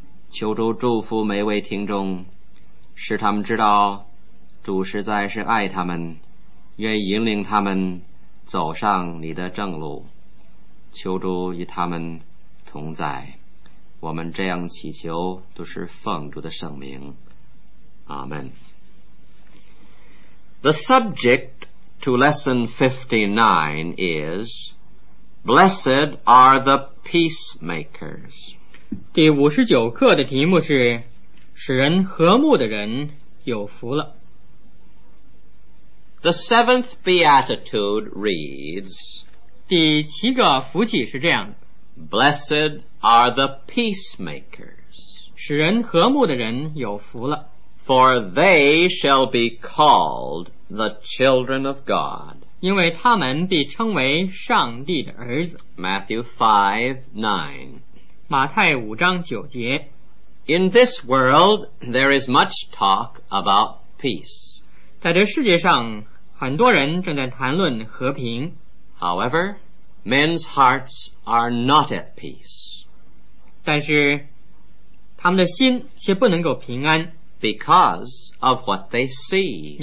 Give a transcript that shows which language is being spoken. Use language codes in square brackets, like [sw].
[zh] 求主祝福每位听众，使他们知道主实在是爱他们，愿引领他们走上你的正路，求主与他们同在。我们这样祈求，都是奉主的圣名，阿们。 [en] The subject to lesson 59 is Blessed are the peacemakers. [zh] 第五十九课的题目是使人和睦的人有福了。 [en] The seventh beatitude reads, [zh] 第七个福气是这样的， [en] Blessed are the peacemakers, [zh] 使人和睦的人有福了， [en] For they shall be called the children of God, [zh] 因为他们必称为上帝的儿子。 [en] Matthew 5:9, [zh] 马太五章九节。 [en] In this world, there is much talk about peace, [zh] 在这世界上很多人正在谈论和平。 [en] However, men's hearts are not at peace. [zh] 但是他们的心却不能够平安。 [en] Because of what they see.